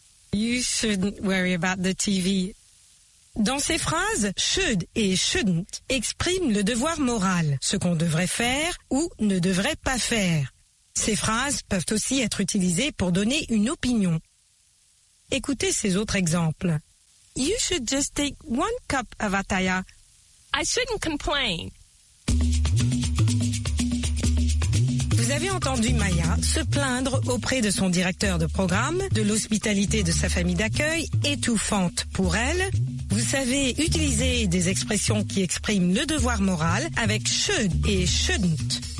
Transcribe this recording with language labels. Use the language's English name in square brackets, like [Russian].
[English] « You shouldn't worry about the TV. » [French] Dans ces phrases, « should » et « shouldn't » expriment le devoir moral, ce qu'on devrait faire ou ne devrait pas faire. Ces phrases peuvent aussi être utilisées pour donner une opinion. Écoutez ces autres exemples. [English] You should just take one cup of ataya. I shouldn't complain. [French] Vous avez entendu Maya se plaindre auprès de son directeur de programme de l'hospitalité de sa famille d'accueil, étouffante pour elle. Vous savez utiliser des expressions qui expriment le devoir moral avec should et shouldn't.